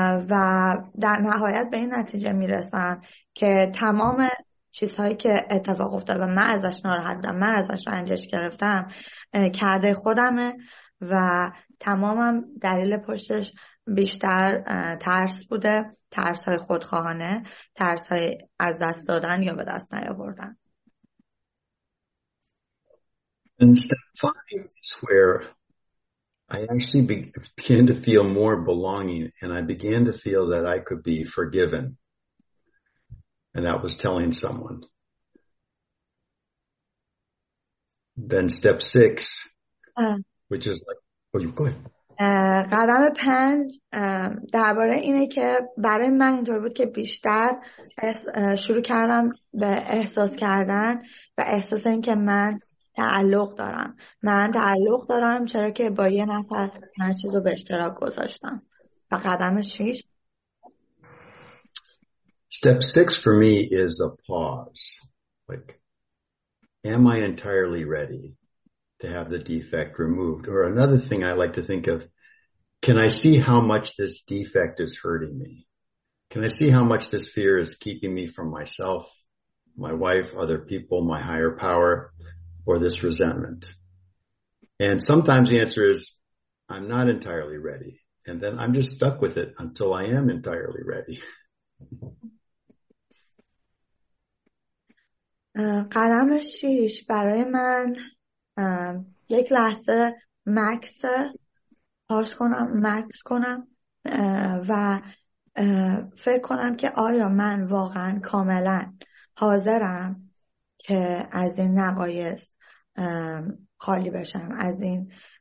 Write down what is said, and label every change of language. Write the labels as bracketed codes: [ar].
[fa] و در نهایت به این نتیجه میرسم که تمام چیزهایی که اتفاق افتاده و من ازش ناراحت بودم، من ازش رنجش گرفتم، کرده خودمه و تمامم دلیل پشتش بیشتر ترس بوده، ترس های خودخواهانه، ترس های از دست دادن یا به دست نیاوردن. [en] And step five is where I actually began to feel more belonging, and I began to feel that I could be forgiven. And that was telling someone. Then step six, which is like, oh, you go ahead. [fa] قدم پنج درباره اینه که برای من اینطور بود که بیشتر شروع کردم به احساس کردن و احساس این که من تعلق دارم. من تعلق دارم چرا که با یه نفر هر چیز رو به اشتراک گذاشتم. و قدم شیش [en] Step six for me is a pause. Like, am I entirely ready to have the defect removed? Or another thing I like to think of, can I see how much this defect is hurting me? Can I see how much this fear is keeping me from myself, my wife, other people, my higher power, or this resentment? And sometimes the answer is, I'm not entirely ready. And then I'm just stuck with it until I am entirely ready. [fa] قدم شیش برای من یک لحظه مکس پاس کنم، مکس کنم و فکر کنم که آیا من واقعا کاملا حاضرم که از این نقایص خالی بشم، از این